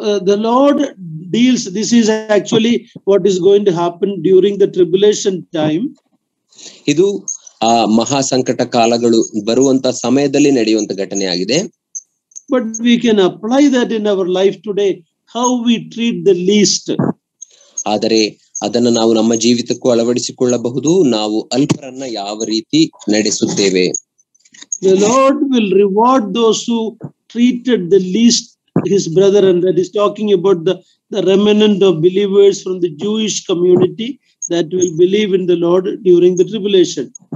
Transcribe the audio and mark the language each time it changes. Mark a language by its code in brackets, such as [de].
[en] the Lord deals, this is actually what is going to happen during the tribulation time. [kn] ಇದು ಆ ಮಹಾ ಸಂಕಟ ಕಾಲಗಳು ಬರುವಂತ ಸಮಯದಲ್ಲಿ ನಡೆಯುವಂತ ಘಟನೆ ಆಗಿದೆ. [en] But we can apply that in our life today, how we treat the least. [kn] ಆದರೆ ಅದನ್ನು ನಾವು ನಮ್ಮ ಜೀವಿತಕ್ಕೂ ಅಳವಡಿಸಿಕೊಳ್ಳಬಹುದು. ನಾವು ಅಲ್ಪರನ್ನ ಯಾವ ರೀತಿ ನಡೆಸುತ್ತೇವೆ. [en] The Lord will reward those who treated the least his brethren. That is talking about the remnant of believers from the Jewish community that will believe in the Lord during the tribulation.